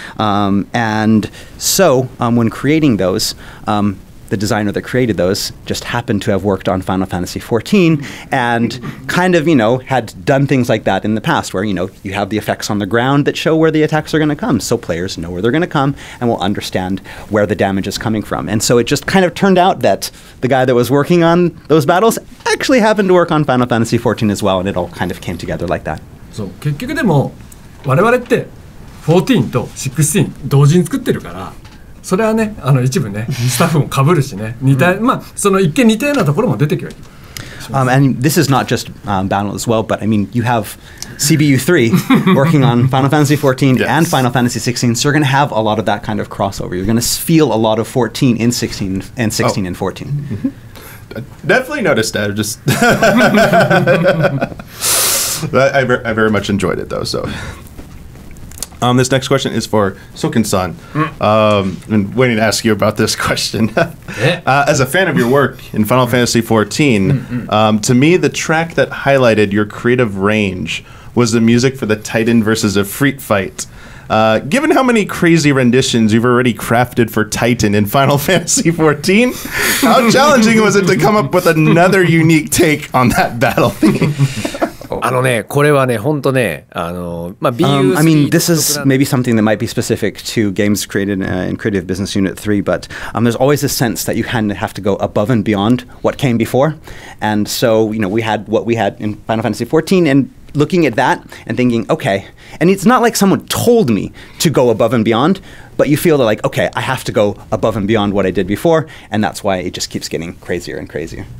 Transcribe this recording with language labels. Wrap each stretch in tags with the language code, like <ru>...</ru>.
<en>And so when creating those, the designer that created those just happened to have worked on Final Fantasy XIV and kind of, you know, had done things like that in the past where, you know, you have the effects on the ground that show where the attacks are going to come. So players know where they're going to come and will understand where the damage is coming from. And so it just kind of turned out that the guy that was working on those battles actually happened to work on Final Fantasy XIV as well. And it all kind of came together like that.</en> <ja>So, 結局でも我々って14と16同時に作ってるからそれはね、あの一部ね、スタッフも被るしね、似た、まあその一見似たようなところも出てきます。</ja> <en>And this is not just battle as well, but I mean, you have CBU3 working on Final Fantasy XIV yes. and Final Fantasy XVI, so you're going to have a lot of that kind of crossover. You're going to feel a lot of 14 in 16 and 16 and 14. Definitely noticed that. I very much enjoyed it though. So. This next question is for Soken-san. I've been waiting to ask you about this question. As a fan of your work in Final Fantasy XIV, to me, the track that highlighted your creative range was the music for the Titan versus Ifrit fight. Given how many crazy renditions you've already crafted for Titan in Final Fantasy XIV, how challenging was it to come up with another unique take on that battle theme?</en> <ja>あのね、これはね、本当ね、あの、まあ、BU3</ja> <en>I mean, this is maybe something that might be specific to games created in Creative Business Unit 3, but there's always this sense that you kind of have to go above and beyond what came before. And so, you know, we had what we had in Final Fantasy 14, and looking at that and thinking, okay, and it's not like someone told me to go above and beyond, but you feel that like, okay, I have to go above and beyond what I did before, and that's why it just keeps getting crazier and crazier.</en>